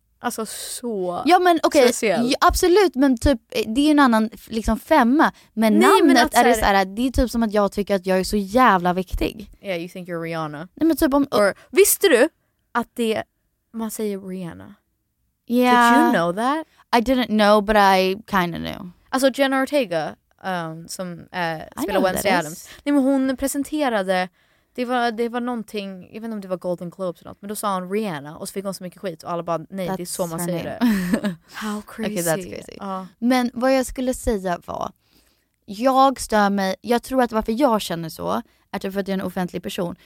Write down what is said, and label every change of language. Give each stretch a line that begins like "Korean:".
Swedish: Alltså så. Ja, men okej. Okay, absolut, men typ det är ju en annan liksom femma, men nej, namnet men att, är det så här, det är typ som att jag tycker att jag är så jävla viktig.
English: Yeah, you think you're Rihanna.
Swedish: Nej, men typ om visste du att det man säger Rihanna?
English: Yeah. Did you know that? I didn't know, but I kind of knew.
Swedish: Alltså Jenna Ortega som spelar Wednesday Addams. Nej, men hon presenterade det var någonting, jag vet inte om det var Golden Globes eller något, men då sa hon Rihanna och så fick hon så mycket skit och alla bara nej,
English: that's
Swedish: det är så man säger
English: name. Det. How crazy. Okay, that's crazy.
Swedish: Men vad jag skulle säga var, jag stör mig, jag tror att varför jag känner så är typ för att jag är en offentlig person.